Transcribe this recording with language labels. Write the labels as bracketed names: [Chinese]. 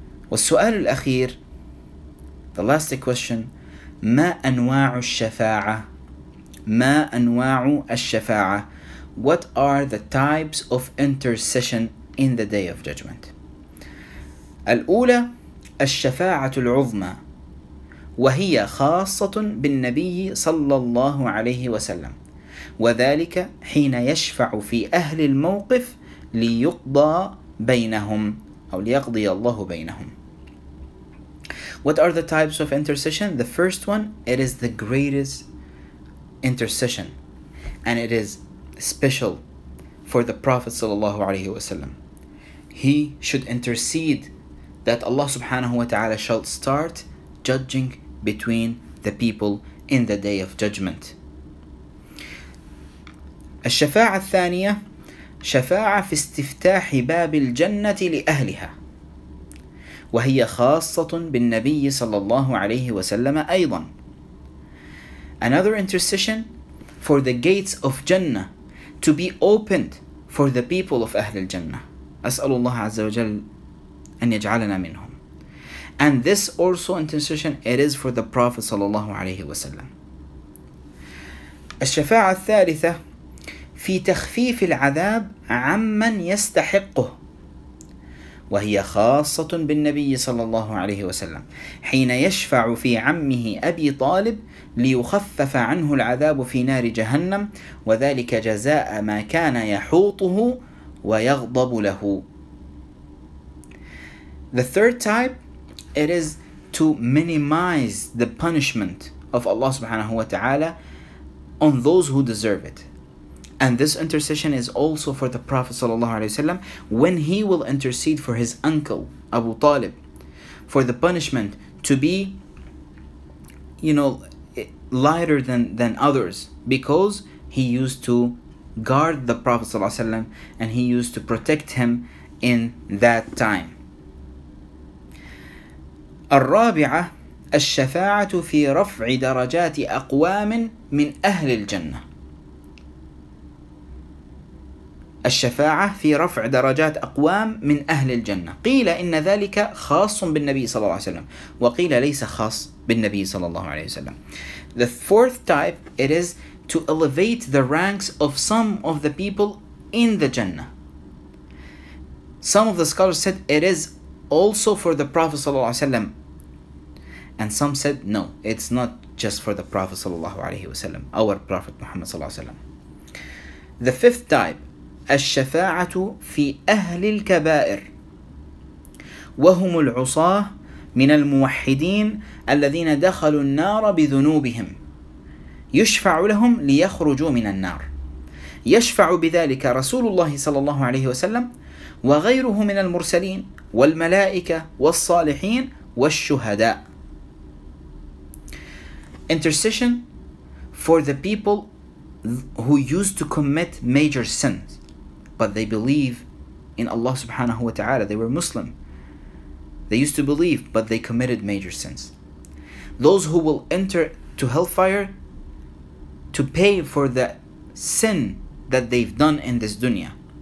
[Arabic] والسؤال الأخير, [English] the last question, [Arabic] ما أنواع الشفاعة؟ ما أنواع الشفاعة؟ [English] What are the types of intercession in the day of judgment? [Arabic] الأولى الشفاعة العظمى وهي خاصة بالنبي صلى الله عليه وسلم وذلك حين يشفع في أهل الموقف ليقضى بينهم أو ليقضي الله بينهم. [English] What are the types of intercession? The first one, it is the greatest intercession, and it is special for the Prophet sallallahu alaihi wasallam. he should intercede that Allah subhanahu wa ta'ala shall start judging between the people in the day of judgment. [Arabic] الشفاعة الثانية شفاعة في استفتاح باب الجنة لأهلها وهي خاصة بالنبي صلى الله عليه وسلم أيضا. [English] Another intercession for the gates of Jannah to be opened for the people of Ahlul Jannah. [Arabic] أسأل الله عز وجل أن يجعلنا منهم. [English] And this also intercession, it is for the Prophet صلى الله عليه وسلم. [Arabic] الشفاعة الثالثة في تخفيف العذاب عمن يستحقه وهي خاصة بالنبي صلى الله عليه وسلم حين يشفع في عمه أبي طالب ليخفف عنه العذاب في نار جهنم وذلك جزاء ما كان يحوطه ويغضب له. [English] The third type, it is to minimize the punishment of Allah subhanahu wa ta'ala on those who deserve it. And this intercession is also for the Prophet sallallahu alaihi wasallam when he will intercede for his uncle Abu Talib for the punishment to be, you know, lighter than others, because he used to guard the Prophet sallallahu alaihi wasallam and he used to protect him in that time. [Arabic] الرابعة الشفاعة في رفع درجات أقوام من أهل الجنة. الشفاعة في رفع درجات أقوام من أهل الجنة. قيل إن ذلك خاص بالنبي صلى الله عليه وسلم وقيل ليس خاص بالنبي صلى الله عليه وسلم. [English] The fourth type, it is to elevate the ranks of some of the people in the Jannah. Some of the scholars said it is also for the Prophet صلى الله عليه وسلم, and some said no, it's not just for the Prophet صلى الله عليه وسلم, our Prophet Muhammad صلى الله عليه وسلم. The fifth type, [Arabic] الشفاعة في أهل الكبائر وهم العصاة من الموحدين الذين دخلوا النار بذنوبهم يشفع لهم ليخرجوا من النار. يشفع بذلك رسول الله صلى الله عليه وسلم وغيره من المرسلين والملائكة والصالحين والشهداء. [English] Intercession for the people who used to commit major sins but they believe in Allah subhanahu wa ta'ala. They were Muslim. They used to believe, but they committed major sins. Those who will enter to hellfire to pay for the sin that they've done in this dunya.